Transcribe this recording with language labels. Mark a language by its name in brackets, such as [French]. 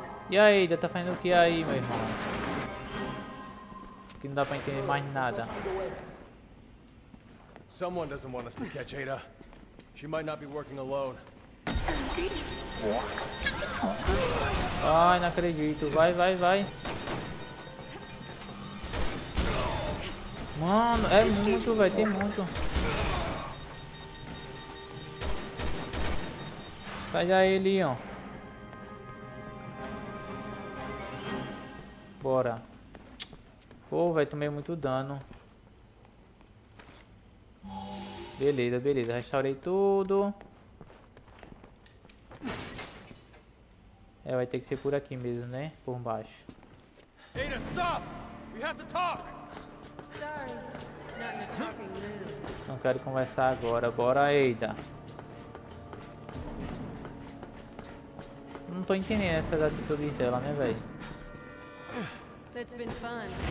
[Portuguese] E aí, já tá fazendo o que aí, meu irmão? Que não dá pra entender mais nada. [English] Someone doesn't want us to catch Ada. She might not be working alone. [Portuguese] Ai, não acredito. Vai, vai, vai. Mano, é muito, velho. Tem muito. Sai daí, Leon. Bora. Pô, vai, tomei muito dano. Beleza, beleza. Restaurei tudo. É, vai ter que ser por aqui mesmo, né? Por baixo. [English] Ada, stop! We have to talk! Sorry, not in a talking mood. [Portuguese] Não quero conversar agora. Bora, Ada. Não tô entendendo essas atitudes dela, né, velho? [English] That's been fun.